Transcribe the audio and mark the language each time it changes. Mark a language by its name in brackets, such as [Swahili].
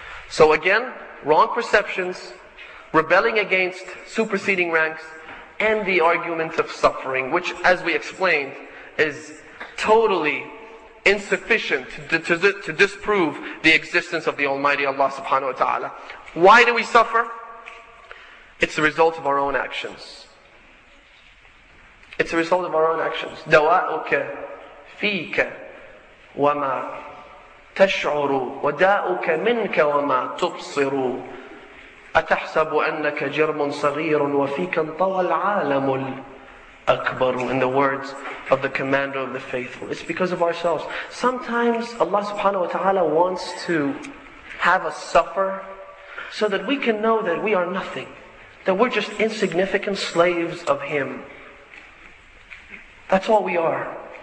[English] So again, wrong perceptions, rebelling against superseding ranks, and the argument of suffering, which, as we explained, is totally insufficient to disprove the existence of the Almighty Allah subhanahu wa ta'ala. Why do we suffer? It's the result of our own actions. It's a result of our own actions. [Arabic] دواءك فيك وما تشعر وداءك منك وما تبصر أتحسب أنك جرم صغير وفيك انطوى العالم الأكبر. [English] In the words of the commander of the faithful. It's because of ourselves. Sometimes Allah subhanahu wa ta'ala wants to have us suffer so that we can know that we are nothing. That we're just insignificant slaves of Him. That's all we are.